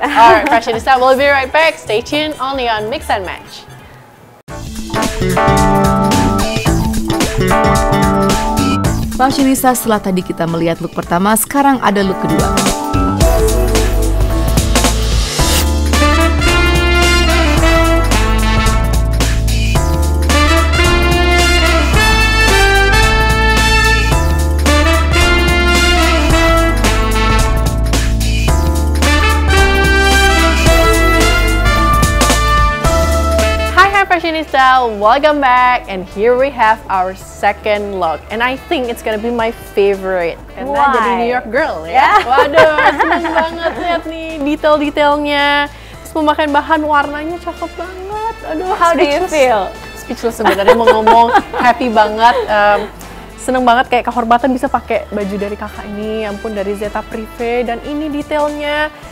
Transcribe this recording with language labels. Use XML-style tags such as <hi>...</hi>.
<en>Alright, fashionista, we'll be right back. Stay tuned only on Mix and Match.</en> <id>Fashionista, setelah tadi kita melihat look pertama, sekarang ada look kedua.</id> <en>Fashionista, welcome back, and here we have our second look, and I think it's gonna be my favorite. Why?</en> <id>Jadi New York girl ya.</id> <en>Yeah.</en> <id>Waduh, seneng banget lihat nih detail-detailnya. Terus memakai bahan warnanya cakep banget. Aduh,</id> <en>how speechless. Do you feel?</en> <id>Speechless sebenarnya mau ngomong, happy banget. Seneng banget kayak kehormatan bisa pakai baju dari kakak ini. Ampun, dari Zeta Privé, dan ini detailnya.</id>